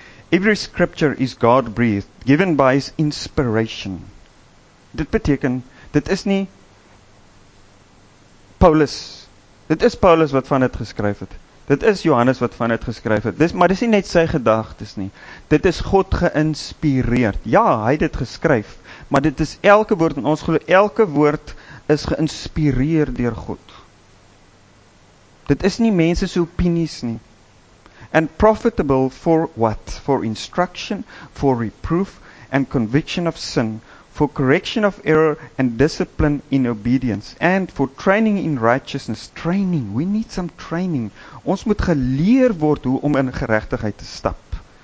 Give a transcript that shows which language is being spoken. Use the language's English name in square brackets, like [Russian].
[English] Every scripture is God-breathed, given by his inspiration. [Afrikaans] Dit beteken, dit is nie Paulus. Dit is Paulus wat van dit geskryf het. Dit is Johannes wat van dit geskryf het. Maar dis nie net sy gedagtes nie. Dit is God geïnspireerd. Ja, hy het dit geskryf. Maar dit is elke woord, en ons geloof, elke woord is geïnspireerd deur God. Dit is nie mense se opinies nie. [English] And profitable for what? For instruction, for reproof, and conviction of sin, for correction of error, and discipline in obedience, and for training in righteousness. Training, we need some training. [Afrikaans] Ons moet geleer word hoe om in geregtigheid te stap.